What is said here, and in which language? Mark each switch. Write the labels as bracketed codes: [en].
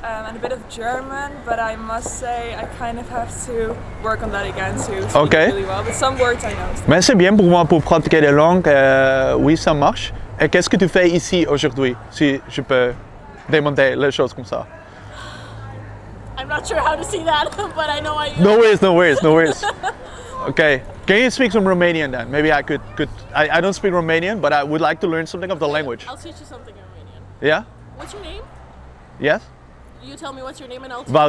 [en] And a bit of German, but I must say I kind of have to work on that again to speak okay. Really well. But some words I know. [fr] Mais c'est bien pour moi pour pratiquer les langues. Oui, ça marche. Et qu'est-ce que tu fais ici aujourd'hui, si je peux demander les choses comme ça? [en] I'm not sure how to say that, but I know I. No worries, no worries, no worries. Okay. Can you speak some Romanian then? Maybe I could. I don't speak Romanian, but I would like to learn something of the language. I'll teach you something. Yeah? What's your name? Yes? You tell me what's your name and I'll tell